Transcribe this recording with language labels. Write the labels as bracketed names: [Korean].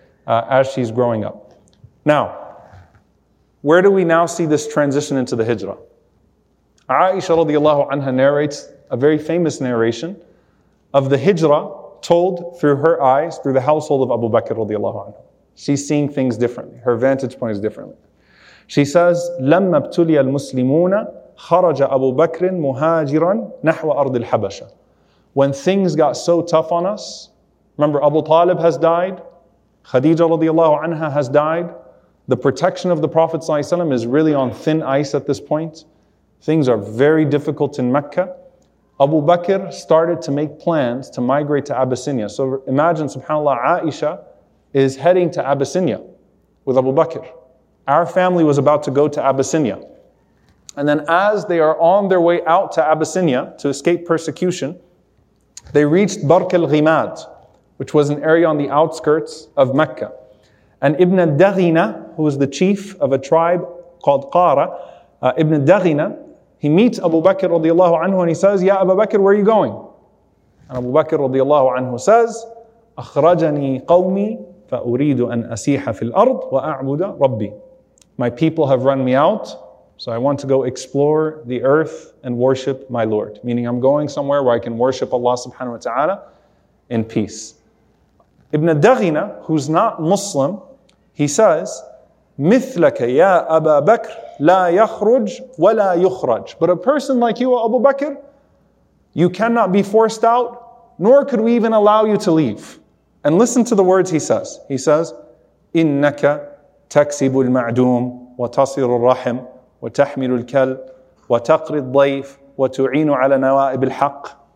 [English] As she's growing up. Now, where do we now see this transition into the hijrah? Aisha radiallahu anha narrates a very famous narration of the hijrah told through her eyes, through the household of Abu Bakr radiallahu anha. She's seeing things differently. Her vantage point is differently. She says, [Arabic] لَمَّا ابْتُلِيَ الْمُسْلِمُونَ خَرَجَ أَبُو بَكْرٍ مُهَاجِرًا نَحْوَ أَرْضِ الْحَبَشَةِ. [English] When things got so tough on us, remember Abu Talib has died, Khadija radiallahu anha has died, the protection of the Prophet ﷺ is really on thin ice at this point. Things are very difficult in Mecca. Abu Bakr started to make plans to migrate to Abyssinia. So imagine, subhanAllah, Aisha is heading to Abyssinia with Abu Bakr. Our family was about to go to Abyssinia. And then as they are on their way out to Abyssinia to escape persecution, they reached Bark al-Ghimad, which was an area on the outskirts of Mecca. And Ibn al-Daghina, who was the chief of a tribe called Qara, Ibn al-Daghina, he meets Abu Bakr radiallahu anhu and he says, Ya Abu Bakr, where are you going? And Abu Bakr radiallahu anhu says, [Arabic] أخرجني قومي فأريد أن أسيح في الأرض وأعبد ربي. [English] My people have run me out, so I want to go explore the earth and worship my Lord. Meaning I'm going somewhere where I can worship Allah subhanahu wa ta'ala in peace. Ibn al-Daghina, who's not Muslim, he says, [Arabic] مِثْلَكَ يَا أَبَا بَكْرٍ لَا يَخْرُجْ وَلَا يُخْرَجْ. [English] But a person like you, Abu Bakr, you cannot be forced out, nor could we even allow you to leave. And listen to the words he says. He says, [Arabic] إِنَّكَ تَكْسِبُ الْمَعْدُومِ وَتَصِيرُ الرَّحِمِ وَتَحْمِلُ الْكَلْبِ وَتَقْرِ الضَّيْفِ وَتُعِينُ عَلَى نَوَائِبِ الْحَقِّ.